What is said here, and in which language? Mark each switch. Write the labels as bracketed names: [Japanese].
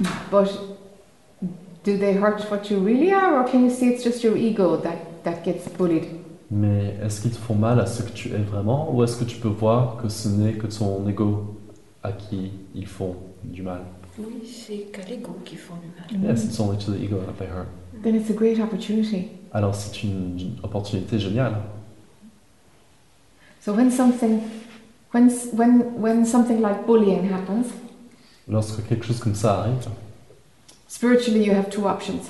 [English] But do they hurt what you really are, or can you see it's just your ego that gets bullied? [French] Mais est-ce qu'ils te font mal à ce que tu es vraiment, ou est-ce que tu peux voir que ce n'est que ton ego à qui ils font du mal? Oui, c'est qu'à l'ego qui font du mal. [English] Yes, it's only to the ego that they hurt. Then it's a great opportunity. [French] Alors c'est une opportunité géniale. [English] So when something like bullying happens. [French] Lorsque quelque chose comme ça arrive. [English] Spiritually, you have two options.